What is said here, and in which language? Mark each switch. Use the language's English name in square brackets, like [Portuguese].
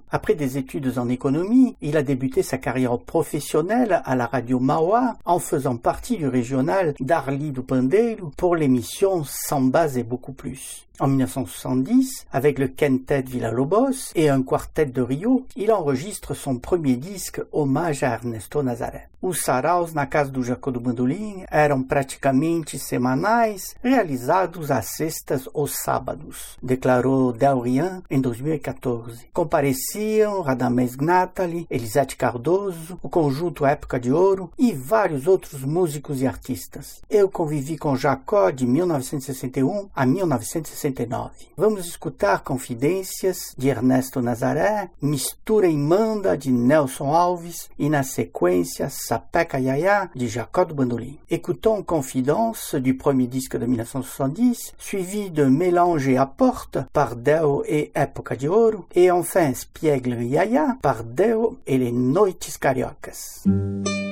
[French] Après des études en économie, il a débuté sa carrière professionnelle à la radio Mauá en faisant partie du régional d'Arli do Pandeiro pour l'émission Sambas et beaucoup plus. En 1970, avec le quintet Villa-Lobos et un quartet de Rio, il enregistre son premier disque Hommage à Ernesto Nazaré. [Portuguese] Os saraus na casa do Jacó do Bandolim eram praticamente semanais, realizados às sextas ou sábados, declarou Deo Rian em 2014. Compareciam Radamés Gnatali, Elisete Cardoso, o conjunto Época de Ouro e vários outros músicos e artistas. Eu convivi com Jacó de 1961 a 1969. Vamos escutar Confidências de Ernesto Nazaré, Mistura e Manda de Nelson Alves e, na sequência, Sapeca Yaya de Jacó do Bandolim. [French] Écoutons Confidence du premier disque de 1970, suivi de Mélange et Apporte par Deo et Época de Ouro, et enfin Spiegle Yaya par Deo et les Noites Cariocas. [English] Thank you.